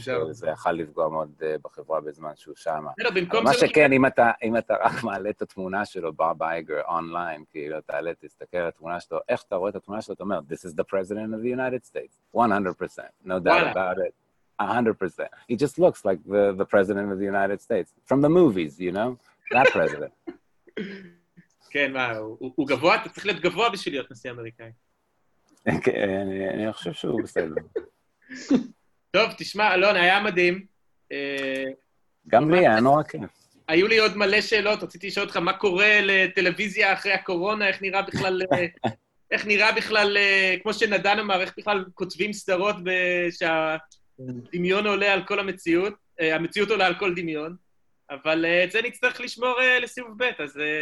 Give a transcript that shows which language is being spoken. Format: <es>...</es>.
<he>זה יכל לפגוע מאוד בחברה בזמן שהוא שם. מה שכן, אם אתה רק מעלה את התמונה שלו, בוב אייגר, אונליין, כאילו, תעלה, תסתכל על התמונה שלו, איך אתה רואה את התמונה שלו, אתה אומר,</he> <en>this is the president of the United States, 100%, no doubt about it. 100%. He just looks like the president of the United States from the movies, you know? That president.</en> <he>כן, הוא גבוה, אתה צריך להיות גבוה בשביל להיות נשיא אמריקאי. כן, אני חושב שהוא בסדר. טוב, תשמע, אלון, היה מדהים. גם לי, היה נורא כיף. היו לי עוד מלא שאלות, רציתי לשאול אותך מה קורה לטלוויזיה אחרי הקורונה, איך נראה בכלל, איך נראה בכלל, כמו שנדן אמר, איך בכלל כותבים סדרות שהדמיון עולה על כל המציאות, המציאות עולה על כל דמיון, אבל את זה נצטרך לשמור לסיבוב ב', אז...</he>